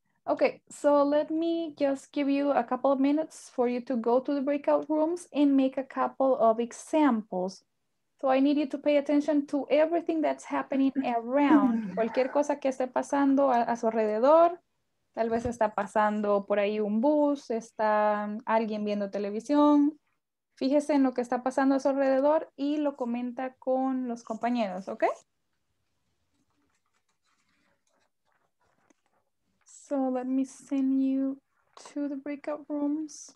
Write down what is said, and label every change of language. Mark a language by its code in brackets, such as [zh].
[en] Okay, so let me just give you a couple of minutes for you to go to the breakout rooms and make a couple of examples. So I need you to pay attention to everything that's happening around. [es] Cualquier cosa que esté pasando a su alrededor. Tal vez está pasando por ahí un bus, está alguien viendo televisión. Fíjese en lo que está pasando a su alrededor y lo comenta con los compañeros, ¿ok? [en] So let me send you to the breakout rooms.